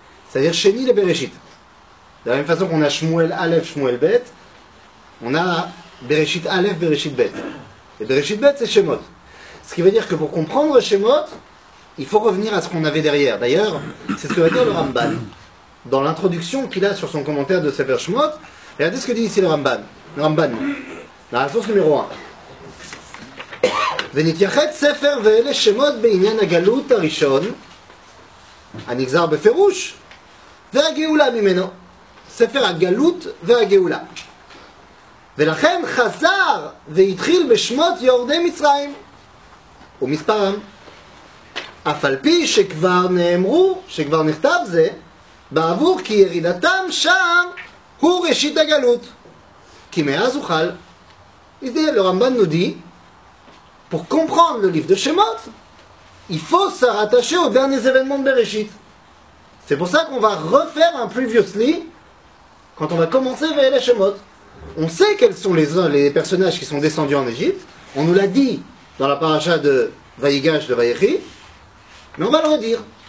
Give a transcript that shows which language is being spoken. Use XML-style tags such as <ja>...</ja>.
<fr>C'est-à-dire Sheni le Bereshit. De la même façon qu'on a Shmuel Aleph, Shmuel Bet, on a Bereshit Aleph, Bereshit Bet. Et Bereshit Bet, c'est Shemot. Ce qui veut dire que pour comprendre Shemot, il faut revenir à ce qu'on avait derrière. D'ailleurs, c'est ce que va dire le Ramban dans l'introduction qu'il a sur son commentaire de Sefer Shemot. Regardez ce que dit ici le Ramban. Dans la source numéro 1.</fr> <he>ונתייחד ספר ואלה שמות בעניין הגלות הראשון הנגזר בפירוש והגאולה ממנו ספר הגלות והגאולה ולכן חזר והתחיל בשמות יורדי מצרים ומספרם אף על פי שכבר נאמרו שכבר נכתב זה בעבור כי ירידתם שם הוא ראשית הגלות כי מאז אוכל הזדהיה לרמב"ן נודי.</he> <fr>Pour comprendre le livre de Shemot, il faut se rattacher aux derniers événements de Bereshit. C'est pour ça qu'on va refaire un previously quand on va commencer vers les Shemot. On sait quels sont les personnages qui sont descendus en Égypte. On nous l'a dit dans la paracha de Vayigash de Vayechi. Mais on va le redire.</fr>